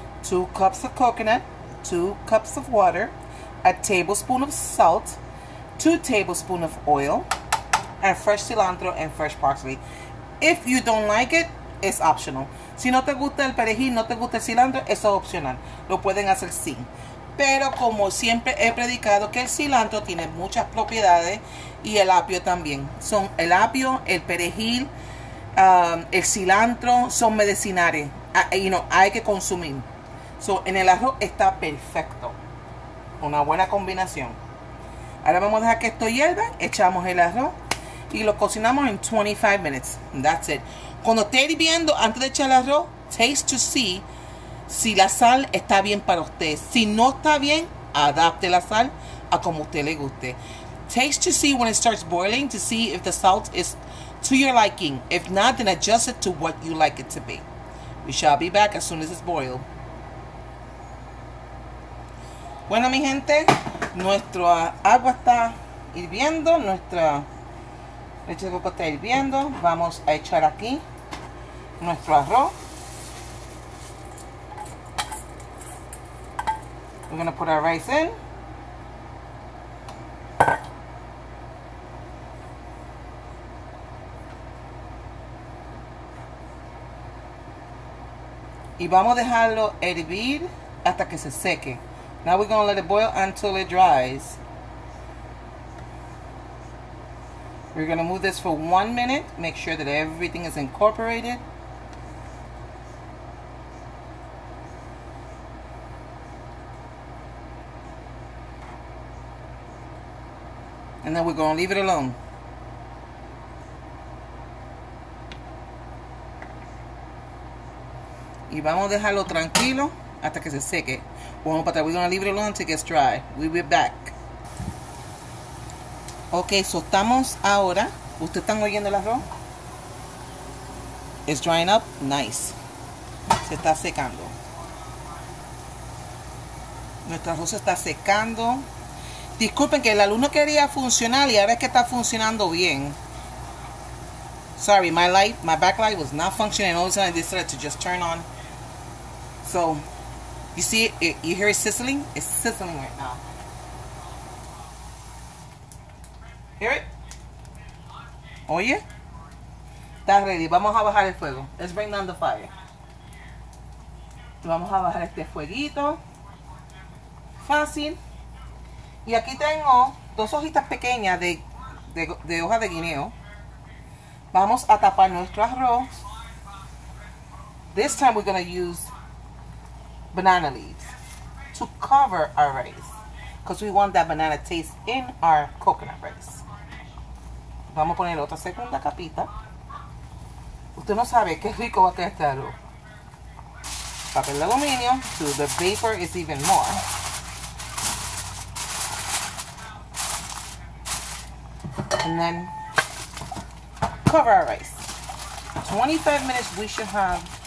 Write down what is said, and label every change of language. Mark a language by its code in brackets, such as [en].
[en] 2 cups of coconut, 2 cups of water, a tablespoon of salt, 2 tablespoons of oil, and fresh cilantro and fresh parsley. If you don't like it, it's optional. [es] Si no te gusta el perejil, no te gusta el cilantro, eso es opcional. Lo pueden hacer sin. Pero como siempre he predicado que el cilantro tiene muchas propiedades y el apio también. Son el apio, el perejil, el cilantro, son medicinales. Hay que consumir. So, en el arroz está perfecto. Una buena combinación. Ahora vamos a dejar que esto hierva. Echamos el arroz y lo cocinamos en 25 minutes. That's it. Cuando esté hirviendo, antes de echar el arroz, taste to see si la sal está bien para usted. Si no está bien, adapte la sal a como usted le guste. [en] Taste to see when it starts boiling to see if the salt is to your liking. If not, then adjust it to what you like it to be. We shall be back as soon as it's boiled. [es] Bueno, mi gente, nuestra agua está hirviendo, leche de coco está hirviendo. Vamos a echar aquí nuestro arroz. [en] We're gonna put our rice in. [es] Y vamos a dejarlo hervir hasta que se seque. [en] Now we're gonna let it boil until it dries. We're gonna move this for 1 minute. Make sure that everything is incorporated. And then we're gonna leave it alone. [es] Y vamos a dejarlo tranquilo hasta que se seque. [en] Bueno, Patrick, we're gonna leave it alone until it gets dry. We'll be back. [es] Ok, so estamos ahora. ¿Ustedes están oyendo el arroz? [en] It's drying up. Nice. Se está secando. [es] Nuestro arroz se está secando. Disculpen que la luz no quería funcionar y ahora es que está funcionando bien. [en] Sorry, my light, my backlight was not functioning. All of a sudden I decided to just turn on. So, you see, you hear it sizzling? It's sizzling right now. [es] Hear it? Oye? Está ready. Vamos a bajar el fuego. Let's bring down the fire. Vamos a bajar este fueguito. Fácil. Y aquí tengo dos hojitas pequeñas de hoja de guineo. Vamos a tapar nuestro arroz. [en] This time we're going to use banana leaves to cover our rice because we want that banana taste in our coconut rice. [es] Vamos a poner otra segunda capita. Usted no sabe qué rico va a quedar este arroz. [en] Papel de aluminio so the vapor is even more. And then cover our rice. 25 minutes we should have.